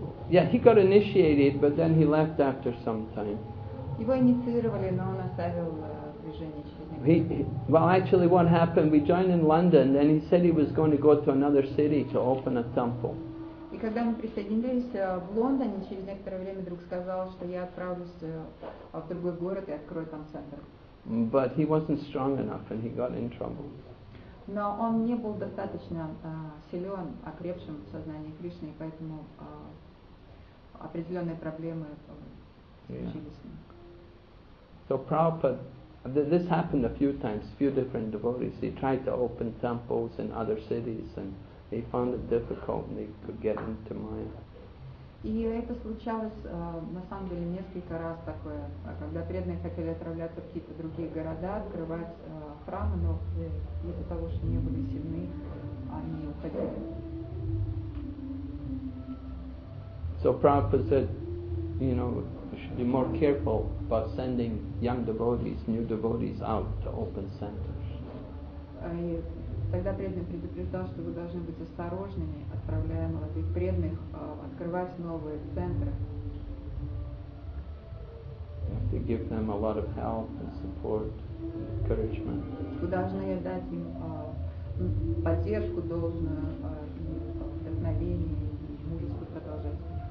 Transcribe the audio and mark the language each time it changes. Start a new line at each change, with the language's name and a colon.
English: Yeah, he got initiated, but then he left after some time.
Russian: Его инициировали, но он оставил движение через некоторое время.
English: Well, actually, what happened? We joined in London, then he said he was going to go to another city to open a temple.
Russian: И когда мы присоединились в Лондоне, через некоторое время друг сказал, что я отправлюсь в другой город и открою там центр.
English: But he wasn't strong enough, and he got in trouble.
Russian: Но он не был достаточно силен, окрепшим в сознании Кришны, и поэтому определенные проблемы случились.
English: So Prabhupada, this happened a few times, few different devotees. He tried to open temples in other cities, and he found it difficult, and he could get into Maya.
Russian: И это случалось, на самом деле, несколько раз такое, когда преданные хотели отправляться в какие-то другие города, открывать храмы, но из-за того, что не были сильны, они уходили.
English: So Prabhupada said, you know, you should be more careful about sending young devotees, new devotees out to open centers.
Russian: Тогда преданный предупреждал, что вы должны быть осторожными, отправляя молодых преданных открывать новые центры.
English: To give them a lot of help and support, encouragement.
Russian: Вы должны дать им поддержку должную, и вдохновение, и мужество продолжать.